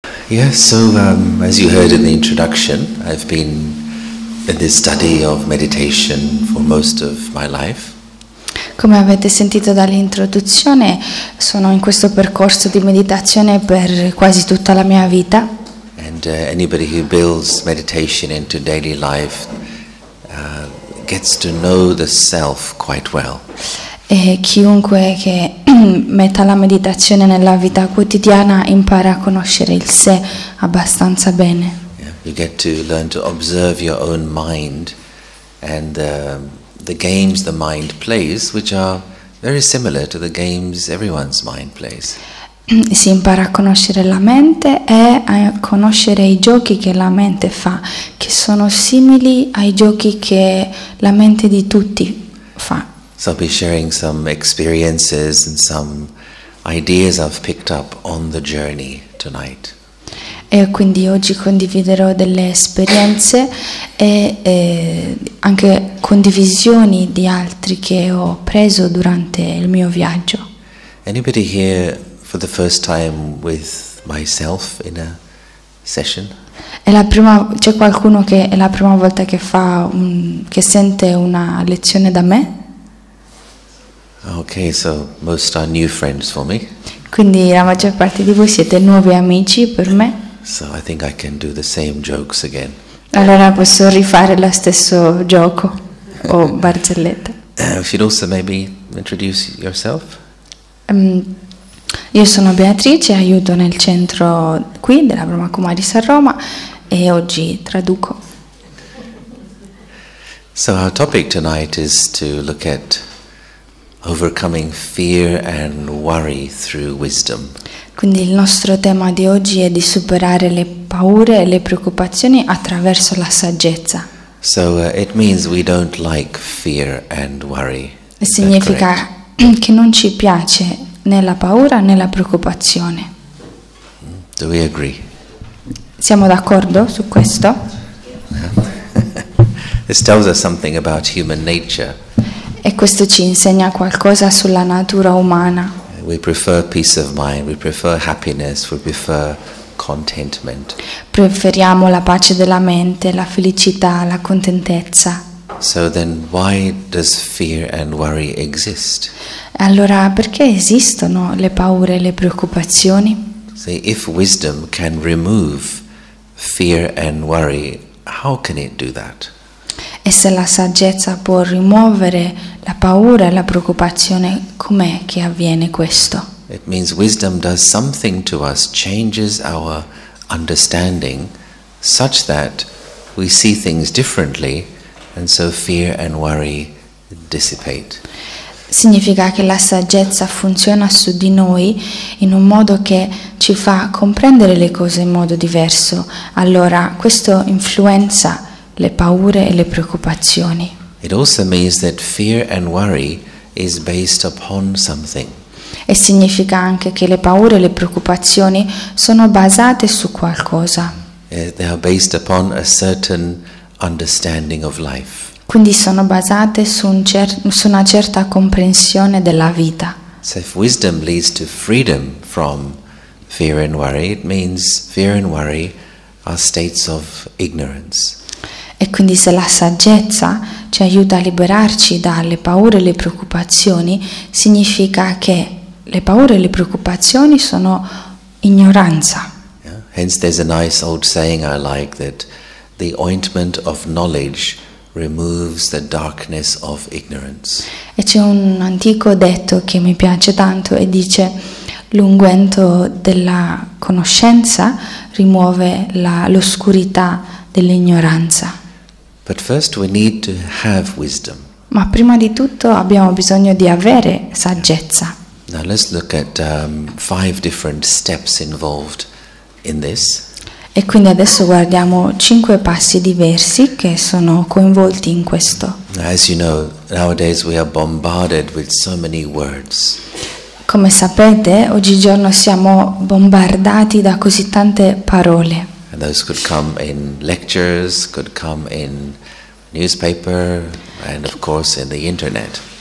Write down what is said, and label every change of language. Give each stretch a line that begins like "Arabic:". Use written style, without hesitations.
English: Yes, so as you heard in the introduction, I've been in this study of meditation for most of my life.
Italian: Come avete sentito dall'introduzione, sono in questo percorso di meditazione per quasi tutta la mia vita.
English: And anybody who builds meditation into daily life gets to know the self quite well.
Italian: E chiunque che metta la meditazione nella vita quotidiana impara a conoscere il sé abbastanza bene.
English: Yeah, you get to learn to observe your own mind and the games the mind plays, which are very similar to the games everyone's mind plays.
Italian: Si impara a conoscere la mente e a conoscere i giochi che la mente fa, che sono simili ai giochi che la mente di tutti fa.
English: So I'll be sharing some experiences and some ideas I've picked up on the journey tonight.
Italian: E quindi oggi condividerò delle esperienze e anche condivisioni di altri che ho preso durante il mio viaggio.
English: Anybody here for the first time with myself in a session?
Italian: C'è qualcuno che è la prima volta che fa che sente una lezione da me?
English: Okay, so most are new friends for me.
Italian: Quindi la maggior parte di voi siete nuovi amici per me.
English: So I think I can do the same jokes again.
Italian: Allora posso rifare lo stesso gioco o barzelletta.
English: Should also maybe introduce yourself?
Italian: Io sono Beatrice, aiuto nel centro qui della Brahma Kumaris a Roma e oggi traduco.
English: So our topic tonight is to look at overcoming fear and worry through wisdom.
Italian: Quindi il nostro tema di oggi è di superare le paure e le preoccupazioni attraverso la saggezza.
English: So it means we don't like fear and worry.
Italian: Significa che non ci piace né la paura né la preoccupazione.
English: Do we agree?
Italian: Siamo d'accordo su questo?
English: This tells us something about human nature.
Italian: E questo ci insegna qualcosa sulla natura umana.
English: We prefer peace of mind, we prefer happiness, we prefer contentment.
Italian: Preferiamo la pace della mente, la felicità, la contentezza.
English: So then why does fear and worry exist?
Italian: Allora perché esistono le paure e le preoccupazioni?
English: See, if wisdom can remove fear and worry, how can it do that?
Italian: E se la saggezza può rimuovere la paura e la preoccupazione, com'è che avviene questo?
English: It means wisdom does something to us, changes our understanding such that we see things differently and so fear and worry dissipate.
Italian: Significa che la saggezza funziona su di noi in un modo che ci fa comprendere le cose in modo diverso. Allora questo influenza le paure e le preoccupazioni.
English: It also means that fear and worry is based upon something.
Italian: E significa anche che le paure e le preoccupazioni sono basate su qualcosa.
English: They are based upon a certain understanding of life.
Italian: Quindi sono basate su una certa comprensione della vita.
English: So if wisdom leads to freedom from fear and worry, it means fear and worry are states of ignorance.
Italian: E quindi se la saggezza ci aiuta a liberarci dalle paure e le preoccupazioni, significa che le paure e le preoccupazioni sono ignoranza.
English: Yeah. Hence there's a nice old saying I like that the ointment of knowledge removes the darkness of ignorance.
Italian: E c'è un antico detto che mi piace tanto e dice l'unguento della conoscenza rimuove l'oscurità dell'ignoranza.
English: But first we need to have wisdom.
Italian: Ma prima di tutto abbiamo bisogno di avere saggezza.
English: Now let's look at five different steps involved in this.
Italian: E quindi adesso guardiamo cinque passi diversi che sono coinvolti in questo.
English: As you know, nowadays we are bombarded with so many words.
Italian: Come sapete, oggigiorno siamo bombardati da così tante parole.
English: And those could come in lectures, could come in newspaper, and of course in the internet.